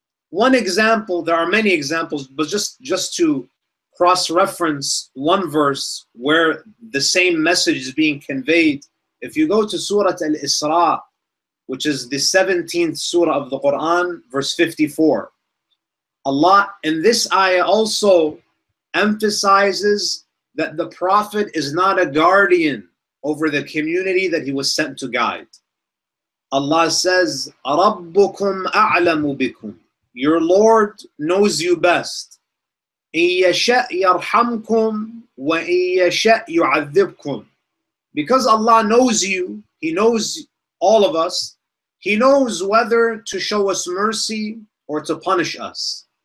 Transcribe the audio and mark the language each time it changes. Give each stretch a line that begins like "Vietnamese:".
English: One example, there are many examples, but just to cross-reference one verse where the same message is being conveyed, if you go to Surah Al-Isra, which is the 17th surah of the Quran, verse 54. Allah in this ayah also emphasizes that the Prophet is not a guardian over the community that he was sent to guide. Allah says,
Arabic: رَبُّكُمْ أَعْلَمُ بِكُمْ.
English: Your Lord knows you best.
Arabic: إِن يَشَأْ يَرْحَمْكُمْ وَإِن يَشَأْ يُعَذِّبْكُمْ.
English: Because Allah knows you, He knows all of us, He knows whether to show us mercy or to punish us.